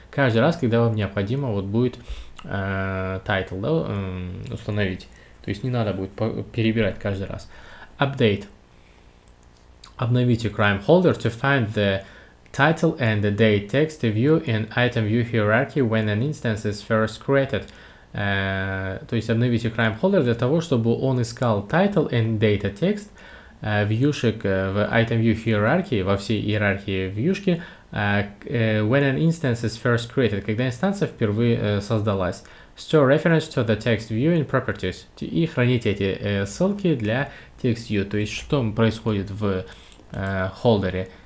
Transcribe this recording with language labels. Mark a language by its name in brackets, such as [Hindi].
[Russian] Каждый раз, когда вам необходимо вот будет title, да, установить. То есть не надо будет перебирать каждый раз. [English] Update. [Russian] Обновите [English] crime holder to find the title and the date text view in item view hierarchy when an instance is first created. [Russian] То есть обновите crime holder для того, чтобы он искал title and data text вьюшек в item view hierarchy, во всей иерархии вьюшки, [English] when an instance is first created, [Russian] когда инстанция впервые создалась. [English] Store reference to the text view in properties. [Russian] И храните эти ссылки для text view. То есть что происходит в холдере.